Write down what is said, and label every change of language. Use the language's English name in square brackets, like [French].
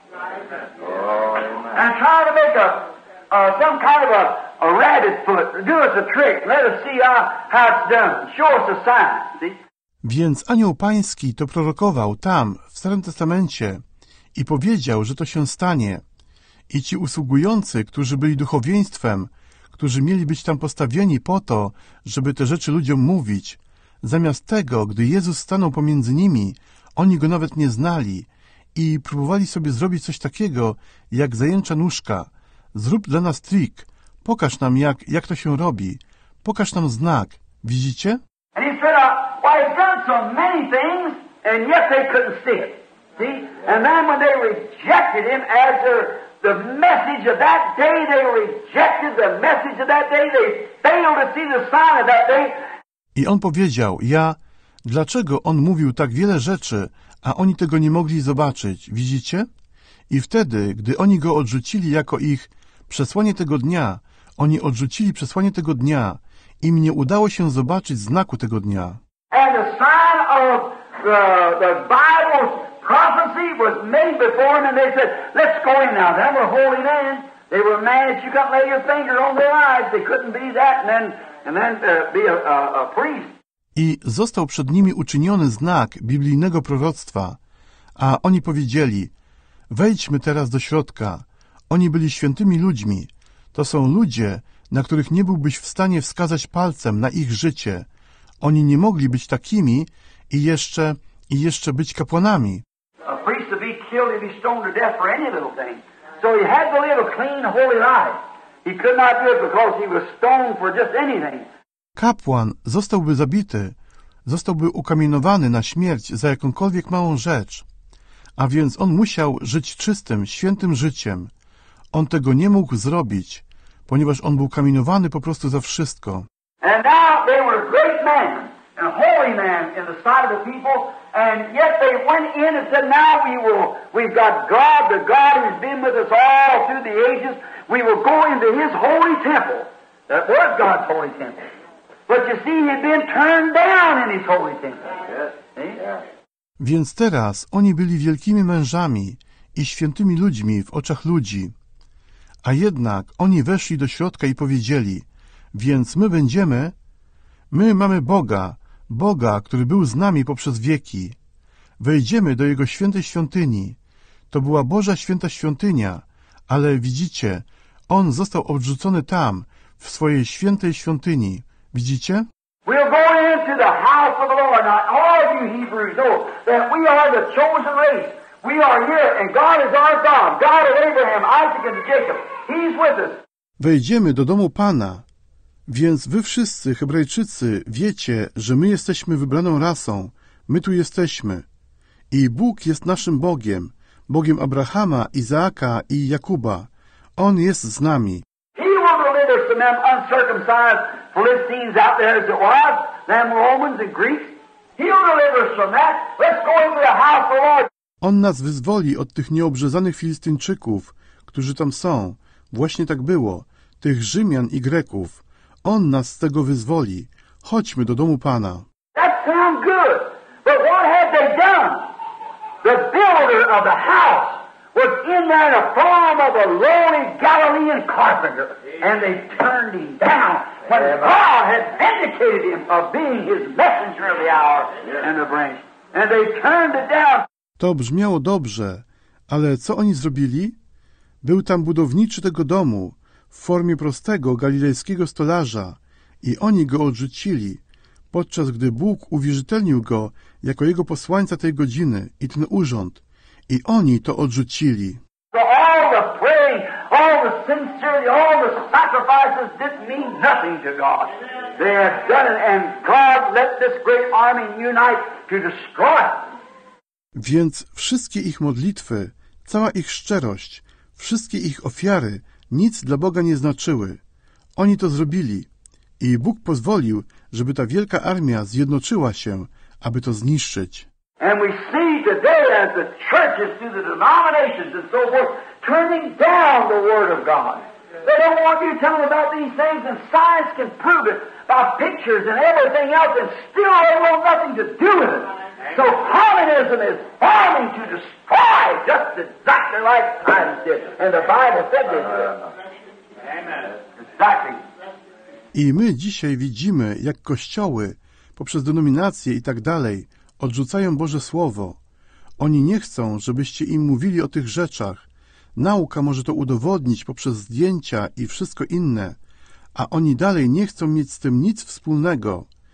[English] Amen. And try to make some kind of a rabbit foot. Do us a trick. Let us see how it's done. Show us a sign. See? [Polish] Więc anioł pański to prorokował tam, w Starym Testamencie, i powiedział, że to się stanie. I ci usługujący, którzy byli duchowieństwem, którzy mieli być tam postawieni po to, żeby te rzeczy ludziom mówić, zamiast tego, gdy Jezus stanął pomiędzy nimi, oni go nawet nie znali i próbowali sobie zrobić coś takiego, jak zajęcza nóżka. Zrób dla nas trik. Pokaż nam, jak to się robi. Pokaż nam znak. Widzicie? [English] And he said, I've done so many things, and yet they couldn't see it. See? And then when they rejected him as the message of that day, they rejected the message of that day, they failed to see the sign of that day. [Polish] I on powiedział, dlaczego on mówił tak wiele rzeczy, a oni tego nie mogli zobaczyć, widzicie? I wtedy, gdy oni go odrzucili jako ich przesłanie tego dnia, oni odrzucili przesłanie tego dnia, im nie udało się zobaczyć znaku tego dnia. [English] And the sign of the Bible's prophecy was made before them, and they said, let's go in now, they were holy men, they were mad, you can't lay your finger on their eyes, they couldn't be that, and then be a priest. [Polish] I został przed nimi uczyniony znak biblijnego proroctwa, a oni powiedzieli, wejdźmy teraz do środka. Oni byli świętymi ludźmi. To są ludzie, na których nie byłbyś w stanie wskazać palcem na ich życie. Oni nie mogli być takimi i jeszcze być kapłanami. [English] A priest would be killed if he stoned to death for any little thing. So he had to live a clean, holy life. He could not do it because he was stoned for just anything. [Polish] Kapłan zostałby zabity, zostałby ukamienowany na śmierć za jakąkolwiek małą rzecz. A więc on musiał żyć czystym, świętym życiem. On tego nie mógł zrobić, ponieważ on był kamienowany po prostu za wszystko. [English] And now they were great men, a holy man in the sight of the people, and yet they went in and said, now we've got God, the God who's been with us all through the ages, we will go into his holy temple. That was God's holy temple. But you see, he'd been turned down in his holy temple. Yes. See? Yeah. [Polish] Więc teraz oni byli wielkimi mężami i świętymi ludźmi w oczach ludzi. A jednak oni weszli do środka i powiedzieli, więc my mamy Boga, który był z nami poprzez wieki. Wejdziemy do Jego świętej świątyni. To była Boża święta świątynia, ale widzicie, On został odrzucony tam, w swojej świętej świątyni. Widzicie? [English] We'll go into the house of the Lord. Now, all of you Hebrews know that we are the chosen race. We are here, and God is our God. God of Abraham, Isaac, and Jacob. He's with us. [Polish] Wejdziemy do domu Pana. Więc wy wszyscy, Hebrajczycy, wiecie, że my jesteśmy wybraną rasą. My tu jesteśmy. I Bóg jest naszym Bogiem. Bogiem Abrahama, Izaaka i Jakuba. On jest z nami. [English] He will deliver us from them uncircumcised Philistines out there as it was, them Romans and Greeks. He'll deliver us from that. Let's go into the house of the Lord. [Polish] On nas wyzwoli od tych nieobrzezanych Filistyńczyków, którzy tam są. Właśnie tak było. Tych Rzymian i Greków. On nas z tego wyzwoli. Chodźmy do domu Pana. [English] That sounds good. But what had they done? The builder of the house was in there in the form of a lowly Galilean carpenter. And they turned him down. But God had vindicated him of being his messenger of the hour and the branch. And they turned it down. [Polish] To brzmiało dobrze, ale co oni zrobili? Był tam budowniczy tego domu w formie prostego galilejskiego stolarza i oni go odrzucili, podczas gdy Bóg uwierzytelnił go jako jego posłańca tej godziny i ten urząd. I oni to odrzucili. [English] So all the praying, all the sincerity, all the sacrifices didn't mean nothing to God. They have done it, and God let this great army unite to destroy it. [Polish] Więc wszystkie ich modlitwy, cała ich szczerość, wszystkie ich ofiary nic dla Boga nie znaczyły. Oni to zrobili i Bóg pozwolił, żeby ta wielka armia zjednoczyła się, aby to zniszczyć. [English] And we see today as the churches through the denominations and so forth turning down the word of God. They don't want you telling about these things, and science can prove it by pictures and everything else, and still they want nothing to do with it. So communism is bombing to destroy, just exactly like Christ did, and the Bible said they did. [Polish] I my dzisiaj widzimy, jak kościoły, poprzez denominacje i tak dalej, odrzucają Boże Słowo. Oni nie chcą, żebyście im mówili o tych rzeczach. Nauka może to udowodnić poprzez zdjęcia i wszystko inne, a oni dalej nie chcą mieć z tym nic wspólnego.